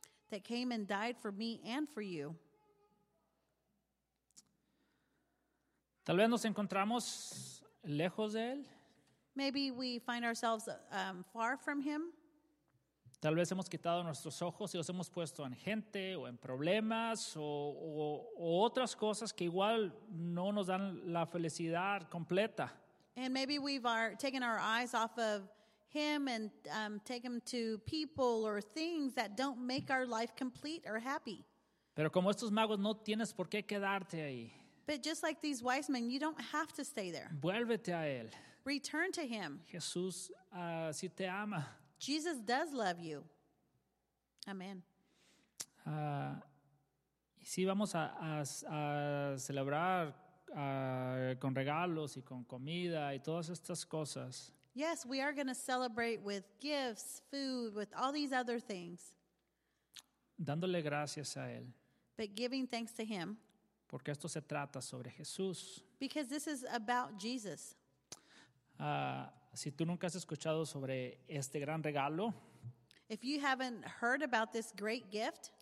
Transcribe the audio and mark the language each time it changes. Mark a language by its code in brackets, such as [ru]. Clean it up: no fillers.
[en] That came and died for me and for you. [es] Tal vez nos encontramos lejos de Él. [en] Maybe we find ourselves far from Him. [es] Tal vez hemos quitado nuestros ojos y los hemos puesto en gente o en problemas o otras cosas que igual no nos dan la felicidad completa. [en] And maybe we've taken our eyes off of Him and taken them to people or things that don't make our life complete or happy. [es] Pero como estos magos, no tienes por qué quedarte ahí. [en] But just like these wise men, you don't have to stay there. [es] Vuélvete a Él. [en] Return to Him. [es] Jesús, si te ama. [en] Jesus does love you. Amen. [es] Y sí, vamos a celebrar con regalos y con comida y todas estas cosas. [en] Yes, we are going to celebrate with gifts, food, with all these other things. [es] Dándole gracias a Él. [en] But giving thanks to Him. [es] Porque esto se trata sobre Jesús. [en] Because this is about Jesus. [es] Si tú nunca has escuchado sobre este gran regalo, [en] if you haven't heard about this great gift,